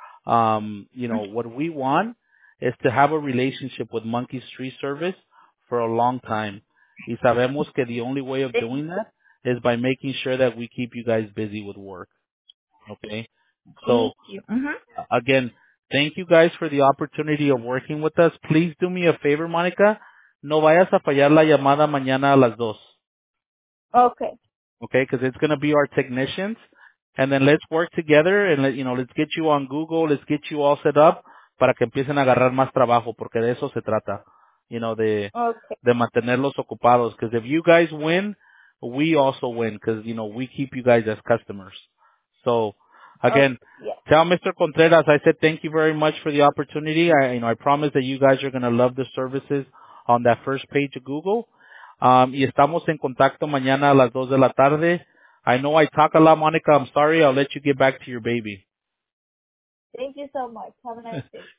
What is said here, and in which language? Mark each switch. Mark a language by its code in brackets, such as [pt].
[en] You know, what we want is to have a relationship with Monkey Street Service for a long time. [es] Y sabemos que [en] the only way of doing that is by making sure that we keep you guys busy with work. Okay? So, again, thank you guys for the opportunity of working with us. Please do me a favor, Monica. [es] No vayas a fallar la llamada mañana a las dos. [en] Okay. Okay, because it's going to be our technicians. And then let's work together and, let, you know, let's get you on Google. Let's get you all set up [es] para que empiecen a agarrar más trabajo, porque de eso se trata, [en] you know, [es] de, [en] okay, [es] de mantenerlos ocupados. [en] Because if you guys win, we also win, because, you know, we keep you guys as customers. So, again, tell Mr. Contreras, I said thank you very much for the opportunity. I, you know, I promise that you guys are going to love the services on that first page of Google. [es] Y estamos en contacto mañana a las 2 de la tarde. [en] I know I talk a lot, Monica. I'm sorry. I'll let you get back to your baby. Thank you so much. Have a nice day.